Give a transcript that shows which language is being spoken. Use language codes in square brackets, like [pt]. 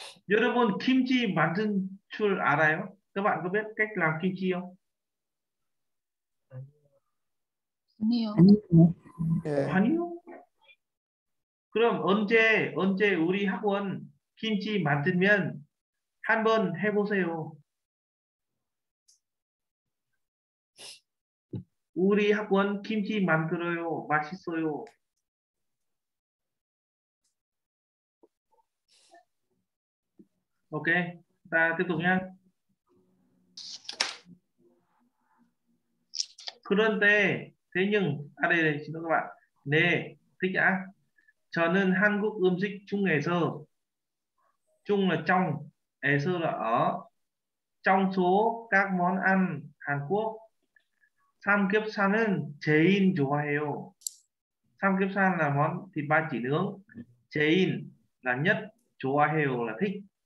[ko] 여러분 김치 만든 줄 알아요? [vi] Các bạn có biết cách làm kim chi không? [ko] 아니요. 아니요. 그럼 언제 우리 학원 김치 만들면 한번 해보세요. 우리 학원 김치 만들어요. 맛있어요. 오케이. 자, [vi] tiếp tục nha. [ko] 그런데 대신 아래에 지는 거 봐. 네. 그냥 저는 한국 음식 중에서 중은 trong, 에서는 ở. [vi] trong số các món ăn Hàn Quốc [ko] 삼겹살은 제일 좋아해요. [vi] 삼겹살은 món thịt ba chỉ nướng. 제일 là nhất, 좋아해요 là thích.